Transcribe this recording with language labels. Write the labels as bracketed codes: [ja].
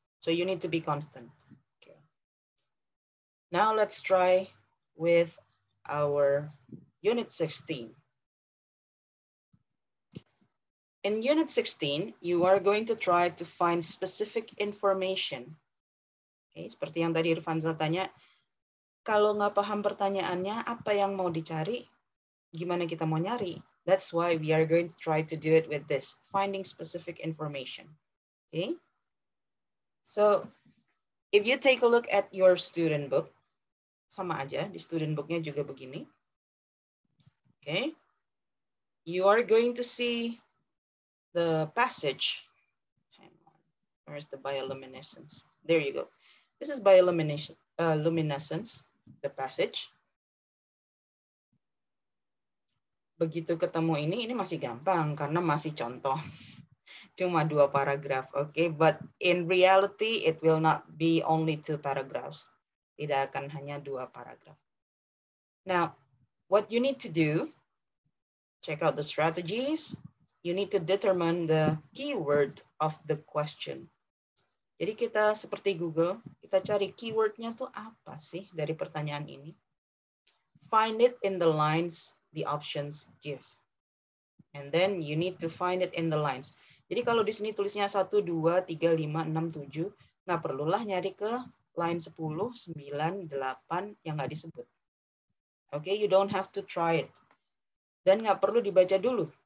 [en] So you need to be constant. Okay. Now let's try with our unit 16. In unit 16, you are going to try to find specific information. [id] Okay, seperti yang tadi Irvanza tanya, kalau nggak paham pertanyaannya, apa yang mau dicari? Gimana kita mau nyari? [en] That's why we are going to try to do it with this, finding specific information. Okay? So, if you take a look at your student book, [id] sama aja, di student book-nya juga begini. [en] Okay. You are going to see the passage. Hang on. Where's the bioluminescence? There you go. This is bioluminescence, the passage. [id] Begitu ketemu ini masih gampang karena masih contoh. Cuma 2 paragraf, okay? [en] But in reality, it will not be only 2 paragraphs. [id] Tidak akan hanya 2 paragraf. [en] Now, what you need to do, check out the strategies. You need to determine the keyword of the question. [id] Jadi kita seperti Google, kita cari keywordnya tuh apa sih dari pertanyaan ini. [en] Find it in the lines the options give. And then you need to find it in the lines. [id] Jadi kalau di sini tulisnya 1, 2, 3, 5, 6, 7, nggak perlulah nyari ke line 10, 9, 8 yang nggak disebut. [en] Okay, you don't have to try it. [id] Dan nggak perlu dibaca dulu.